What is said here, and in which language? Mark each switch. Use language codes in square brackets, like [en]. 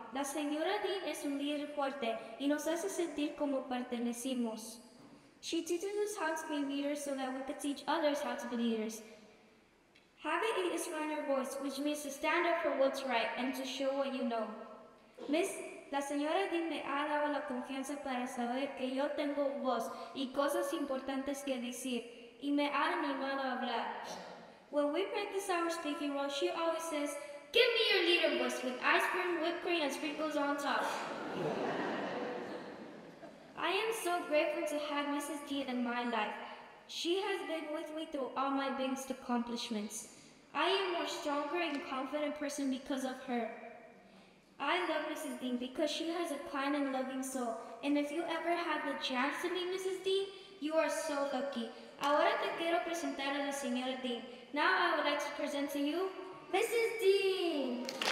[es] La señora Dean es un líder fuerte y nos hace sentir como pertenecimos. [en] She teaches us how to be leaders so that we can teach others how to be leaders. Having it is finding your voice, which means to stand up for what's right and to show what you know. [es] La señora Dean me ha dado la confianza para saber que yo tengo voz y cosas importantes que decir, y me ha animado a hablar. [en] When we practice our speaking role, she always says, "Give me your leader voice with ice cream, whipped cream, and sprinkles on top." I am so grateful to have Mrs. Dean in my life. She has been with me through all my biggest accomplishments. I am a more stronger and confident person because of her. I love Mrs. Dean because she has a kind and loving soul. And if you ever have the chance to meet Mrs. Dean, you are so lucky. [es] Ahora te quiero presentar a la señora Dean. [en] Now I would like to present to you, Mrs. Dean!